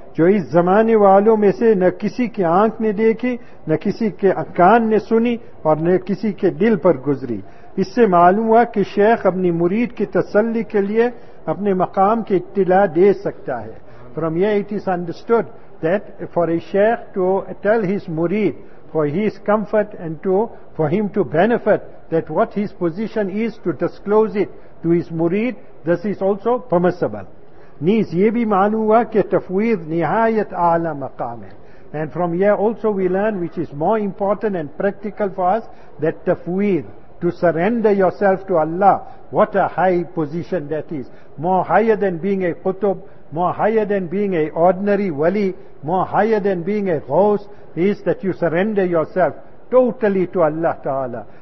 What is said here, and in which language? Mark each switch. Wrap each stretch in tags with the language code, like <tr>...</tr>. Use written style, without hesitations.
<ur>جو اس زمانے والوں میں سے نہ کسی کی آنکھ نے دیکھی، نہ کسی کے کان نے سنی، اور نہ کسی کے دل پر گزری. اس سے معلوم ہوا کہ شیخ اپنی مرید کی تسلی کے لیے اپنے مقام کی اطلاع دے سکتا ہے.</ur> <en>From here it is understood that for a sheikh to tell his murid for his comfort and to for him to benefit that what his position is to disclose it to his murid, this is also permissible.</en> <ur>نیز یہ بھی معلوم ہوا کہ تفویض نہایت اعلی مقام ہے.</ur> <en>And from here also we learn, which is more important and practical for us, that تفویض, to surrender yourself to Allah, what a high position that is. More higher than being a qutub, more higher than being an ordinary wali, more higher than being a ghost, is that you surrender yourself totally to Allah Ta'ala.</en>